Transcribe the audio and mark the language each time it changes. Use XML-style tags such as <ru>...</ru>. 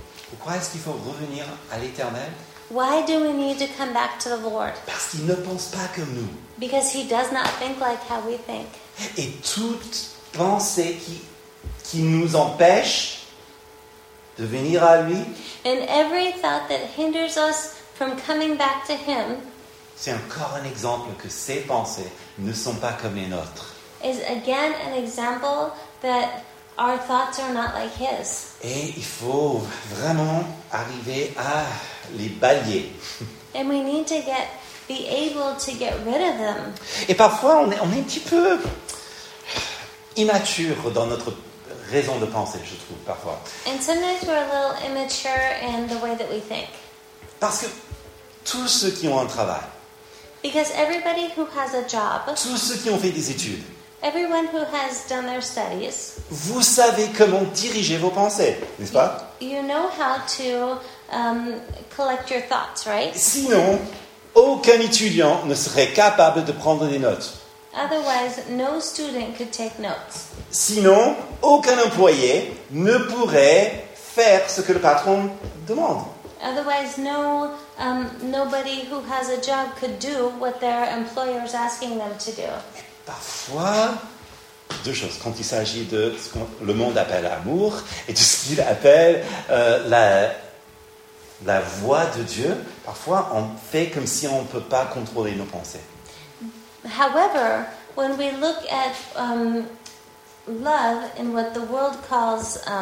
<fr>Pourquoi est-ce qu'il faut revenir à l'Éternel?</fr> <en>Why do we need to come back to the Lord?</en> <fr>Parce qu'il ne pense pas comme nous.</fr> <en>Because he does not think like how we think.</en> <fr>Et toute pensée qui nous empêche de venir à lui.</fr> <en>And every thought that hinders us from coming back to him.</en> <fr>C'est encore un exemple que ses pensées ne sont pas comme les nôtres.</fr> <en>Is again an example that our thoughts are not like his.</en> <fr>Et il faut vraiment arriver à les balayer.</fr> <en>And we need to be able to get rid of them.</en> <fr>Et parfois on est un petit peu immature dans notre raison de penser, je trouve, parfois.</fr> <en>And sometimes we're a little immature in the way that we think.</en> <fr>Parce que tous ceux qui ont un travail.</fr> <en>Because everybody who has a job.</en> <fr>Tous ceux qui ont fait des études.</fr> <en>Everyone who has done their studies.</en> <fr>Vous savez comment diriger vos pensées, n'est-ce pas?</fr> <en>You know how to collect your thoughts, right?</en> <fr>Sinon, aucun étudiant ne serait capable de prendre des notes.</fr> <en>Otherwise, no student could take notes.</en> <fr>Sinon, aucun employé ne pourrait faire ce que le patron demande.</fr> <en>Otherwise, nobody who has a job could do what their employer is asking them to do.</en> <fr>Parfois, deux choses. Quand il s'agit de ce que le monde appelle amour et de ce qu'il appelle la voix de Dieu, parfois on fait comme si on ne peut pas contrôler nos pensées.</fr> <en>However, when we look at love and what the world calls</en>